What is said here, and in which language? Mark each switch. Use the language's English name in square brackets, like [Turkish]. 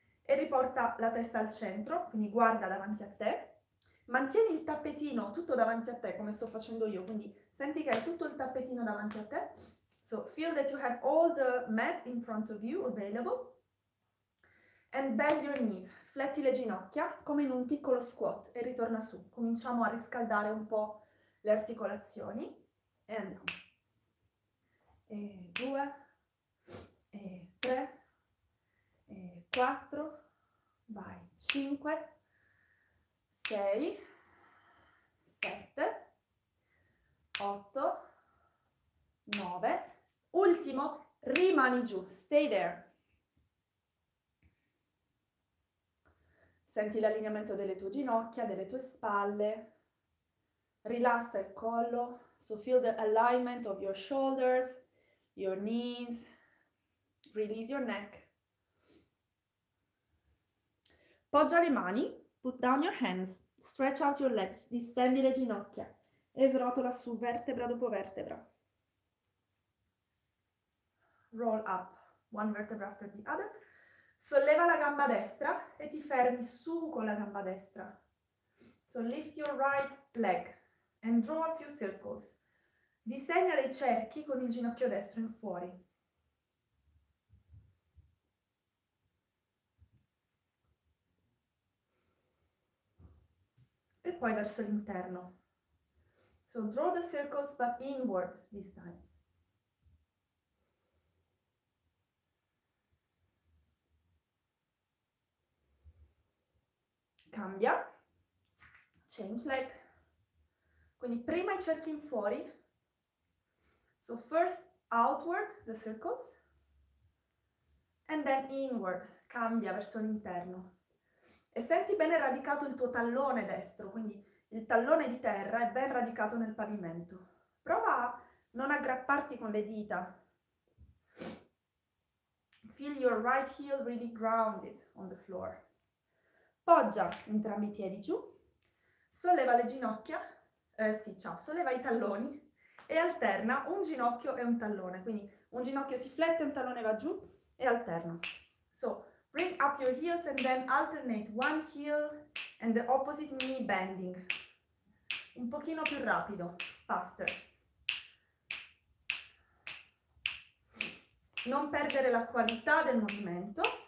[Italian] E riporta la testa al centro, quindi guarda davanti a te, mantieni il tappetino tutto davanti a te come sto facendo io, quindi senti che hai tutto il tappetino davanti a te. [English] So feel that you have all the mat in front of you available. And bend your knees, [Italian] fletti le ginocchia come in un piccolo squat e ritorna su. Cominciamo a riscaldare un po' le articolazioni e andiamo. E due, e tre, e quattro, vai, cinque, sei, sette, otto, nove, ultimo, rimani giù, [English] stay there. [Italian] Senti l'allineamento delle tue ginocchia, delle tue spalle. Rilassa il collo. [English] So feel the alignment of your shoulders, your knees. Release your neck. [Italian] Poggia le mani. [English] Put down your hands. Stretch out your legs. [Italian] Distendi le ginocchia. E srotola su vertebra dopo vertebra. [English] Roll up. One vertebra after the other. [Italian] Solleva la gamba destra e ti fermi su con la gamba destra. [English] So lift your right leg and draw a few circles. [Italian] Disegna dei cerchi con il ginocchio destro in fuori. E poi verso l'interno. [English] So draw the circles but inward this time. [Italian] Cambia, [English] change leg, [Italian] quindi prima i cerchi in fuori, [English] so first outward the circles, and then inward, [Italian] cambia verso l'interno. E senti bene radicato il tuo tallone destro, quindi il tallone di terra è ben radicato nel pavimento. Prova a non aggrapparti con le dita. [English] Feel your right heel really grounded on the floor. [Italian] Poggia entrambi i piedi giù, solleva le ginocchia, solleva i talloni e alterna un ginocchio e un tallone. Quindi un ginocchio si flette, un tallone va giù e alterna. [English] So, bring up your heels and then alternate one heel and the opposite knee bending. [Italian] Un pochino più rapido, [English] faster. [Italian] Non perdere la qualità del movimento.